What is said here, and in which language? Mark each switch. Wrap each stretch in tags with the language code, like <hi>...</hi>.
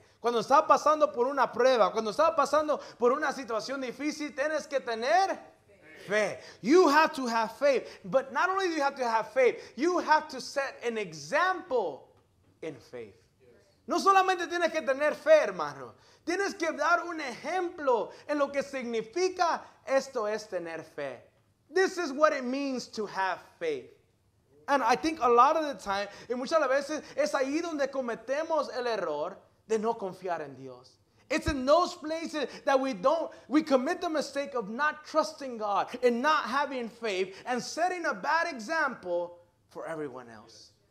<es>Cuando estás pasando por una prueba, cuando estás pasando por una situación difícil, tienes que tener fe.</es> <en>You have to have faith. But not only do you have to have faith, you have to set an example in faith.</en> <es>No solamente tienes que tener fe, hermano. Tienes que dar un ejemplo en lo que significa esto es tener fe.</es> <en>This is what it means to have faith. And I think a lot of the time,</en> <es>y muchas veces, es ahí donde cometemos el error de no confiar en Dios.</es> <en>It's in those places that we commit the mistake of not trusting God and not having faith and setting a bad example for everyone else.</en>